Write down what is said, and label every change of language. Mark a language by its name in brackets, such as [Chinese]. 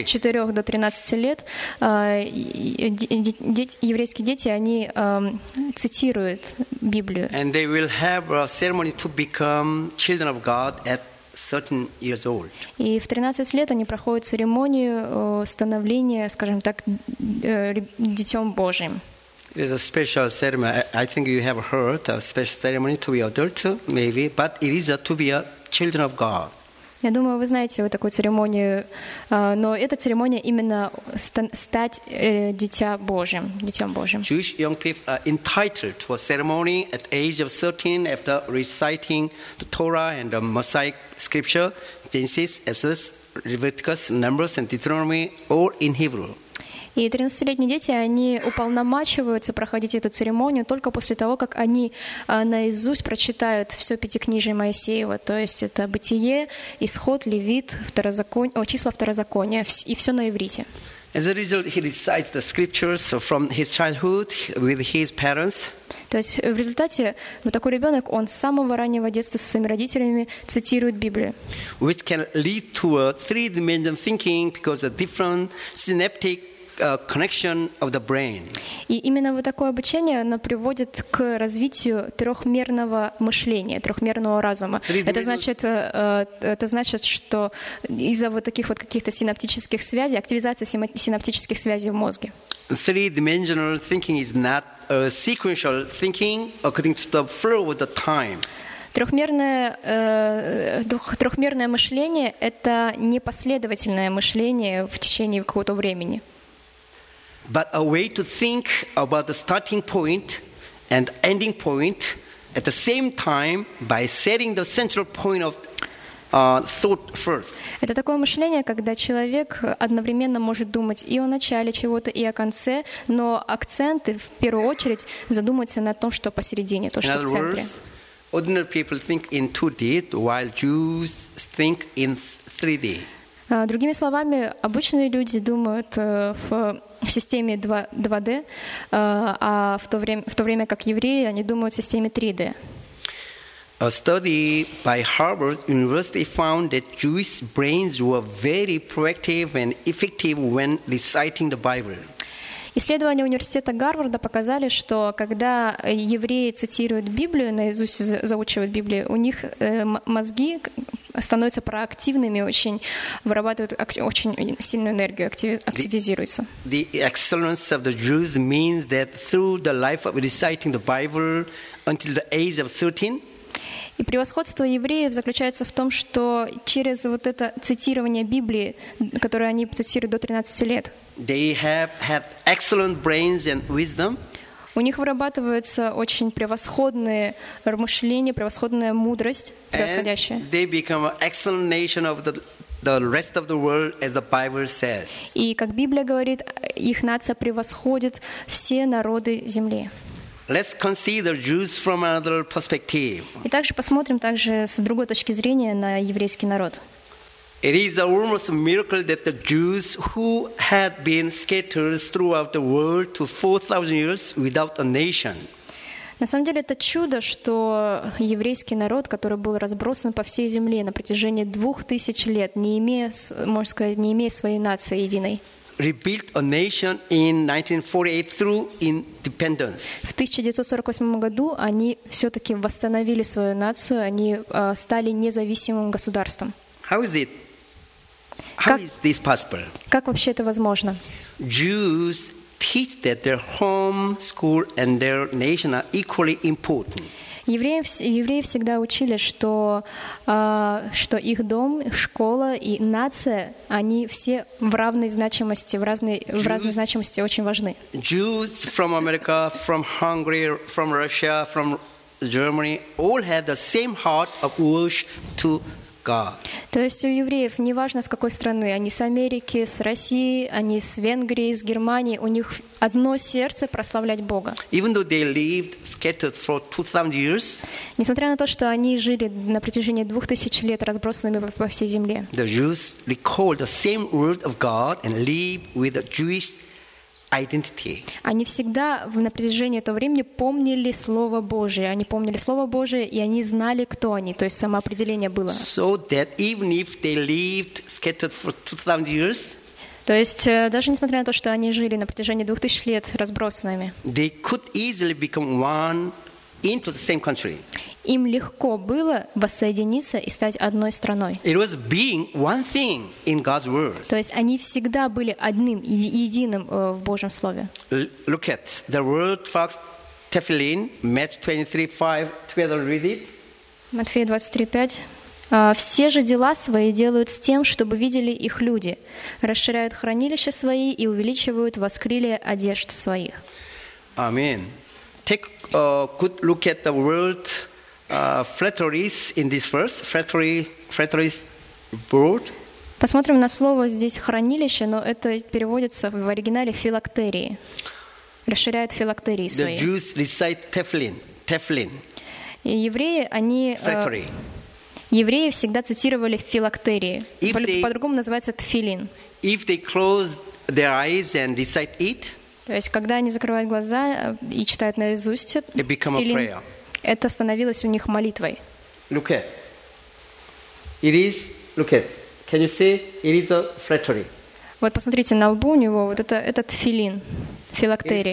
[Russian] От 4 до 13 лет еврейские дети, они цитируют Библию. [English] And they will have a ceremony to become children of God at 13 years old. [Russian] И в 13 лет они проходят церемонию становления, скажем так, детем Божьим. [English] It is a special ceremony. I think you have heard a special ceremony to be adult, maybe, but it is to be a children of God. [Russian] Я думаю, вы знаете вот такую церемонию, но эта церемония именно стать дитем Божьим. [English] Jewish young people are entitled to a ceremony at age of 13 after reciting the Torah and the Mosaic scripture, Genesis, Exodus, Leviticus, Numbers and Deuteronomy, all in Hebrew. [Russian] И 13-летние дети, они уполномачиваются проходить эту церемонию только после того, как они наизусть прочитают все Пятикнижие Моисеева. То есть это Бытие, Исход, Левит, числа Второзакония и все на иврите. [English] As a result, he recites the scriptures from his childhood with his parents. [Russian] То есть в результате вот такой ребенок, он с самого раннего детства со своими родителями цитирует Библию. [English] Which can lead to a three-dimensional thinking because of different synaptic connection of the brain. [Russian] И именно вот такое обучение, оно приводит к развитию трехмерного мышления, трехмерного разума. Это значит, что из-за вот таких вот каких-то синаптических связей, активизация синаптических связей в мозге. [English] Three-dimensional thinking is not a sequential thinking according to the flow of the time. [Russian] Трехмерное мышление — это непоследовательное мышление в течение какого-то времени. [English] But a way to think about the starting point and ending point at the same time by setting the central point of thought first. [Russian] Это такое мышление, когда человек одновременно может думать и о начале чего-то, и о конце, но акценты в первую очередь задумываются на том, что посередине, то, что в центре. [English] In other words, ordinary people think in 2D, while Jews think in 3D. [Russian] Другими словами, обычные люди думают в системе 2D, а в то время как евреи, они думают в системе 3D. [English] A study by Harvard University found that Jewish brains were very proactive and effective when reciting the Bible. [Russian] Исследования университета Гарварда показали, что когда евреи цитируют Библию, наизусть заучивают Библию, у них мозги становятся проактивными, очень вырабатывают очень сильную энергию, активизируются. [English] The excellence of the Jews means that through the life of reciting the Bible until the age of 13. [Russian] И превосходство евреев заключается в том, что через вот это цитирование Библии, которое они цитируют до 13 лет, [English] they have excellent brains and wisdom. [Russian] У них вырабатываются очень превосходные размышления, превосходная мудрость превосходящая. [English] And they become an excellent nation of the rest of the world, as the Bible says. [Russian] И как Библия говорит, их нация превосходит все народы земли. [English] Let's consider Jews from another perspective. [Russian] И также посмотрим также с другой точки зрения на еврейский народ. [English] It is almost a miracle that the Jews who had been scattered throughout the world to 4,000 years without a nation. [Russian] На самом деле это чудо, что еврейский народ, который был разбросан по всей земле на протяжении 2000 лет, не имея, можно сказать, не имея своей нации единой. [English] rebuilt a nation in 1948 through independence. [Russian] В 1948 году они все-таки восстановили свою нацию, они стали независимым государством. [English] How is it? How is this possible? [Russian] Как вообще это возможно? [English] Jews teach that their home, school, and their nation are equally important. [Russian] Евреи всегда учили, что их дом, школа и нация, они все в равной значимости, в разной значимости очень важны. [English] Jews from America, from Hungary, from Russia, from Germany all had the same heart of worship to God. [Russian] То есть у евреев, неважно с какой страны, они с Америки, с России, они с Венгрии, с Германии, у них одно сердце прославлять Бога. [English] Even though they lived scattered for 2000 years, [Russian] несмотря на то, что они жили на протяжении 2000 лет разбросанными по всей земле, [English] the Jews recalled the same word of God and lived with a Jewish identity. [Russian] Они всегда на протяжении этого времени помнили Слово Божие. Они помнили Слово Божие, и они знали, кто они. То есть самоопределение было. [English] So that even if they lived scattered for 2000 years, [Russian] то есть даже несмотря на то, что они жили на протяжении 2000 лет разбросанными, [English] they could easily become one into the same country. [Russian] Им легко было воссоединиться и стать одной страной. [English] It was being one thing in God's word. [Russian] То есть они всегда были одним, единым в Божьем Слове. [English] Look at the word Fox Tefillin, Matthew 23, 5. Together read it. [Russian] Матфея 23:5. Все же дела свои делают с тем, чтобы видели их люди. Расширяют хранилища свои и увеличивают воскрилие одежд своих. [English] Amen. Take a good look at the word flatteries in this verse. Flatteries board. [Russian] Посмотрим на слово здесь хранилище, но это переводится в оригинале филактерии. Расширяют филактерии свои. [English] The Jews recite Tefillin. [Russian] Евреи всегда цитировали филактерии. По-другому называется Тфилин. [English] If they close their eyes and recite it, [Russian] то есть когда они закрывают глаза и читают наизусть, [English] it become tfilin, a prayer. [Russian] Это становилось у них молитвой. [English] Look at. It is, look at. Can you see? It is a flattery. [Russian] Вот посмотрите на лбу у него, вот это этот филин, филактерий.